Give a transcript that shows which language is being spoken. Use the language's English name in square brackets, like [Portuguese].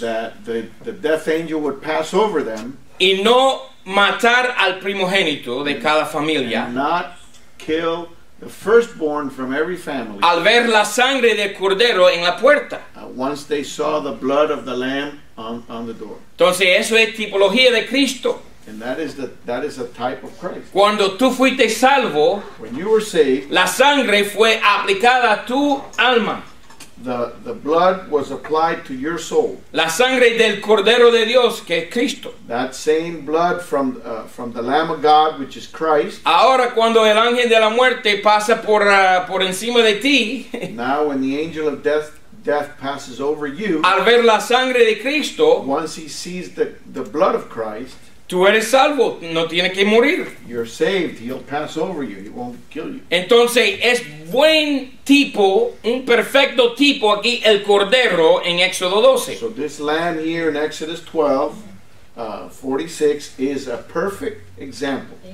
[English] that the death angel would pass over them, [Spanish] y no matar al primogénito de cada familia, [English] and not kill the firstborn from every family, [Spanish] al ver la sangre del cordero en la puerta, [English] once they saw the blood of the lamb on the door. [Spanish] Entonces eso es tipología de Cristo. [English] And that is a type of Christ. [Spanish] Cuando tú fuiste salvo, [English] when you were saved, [Spanish] la sangre fue aplicada a tu alma. [English] The blood was applied to your soul. [Spanish] La sangre del cordero de Dios, que es Cristo. [English] That same blood from the Lamb of God, which is Christ. [Spanish] Ahora cuando el ángel de la muerte pasa por encima de ti. [English] Now when the angel of death passes over you. [Spanish] Al ver la sangre de Cristo. [English] Once he sees the blood of Christ. [Spanish] Tú eres salvo, no tienes que morir. [English] You're saved, he'll pass over you, he won't kill you. [Spanish] Entonces es buen tipo, un perfecto tipo aquí el cordero en Éxodo 12. [English] So this lamb here in Exodus 12, 46 is a perfect example.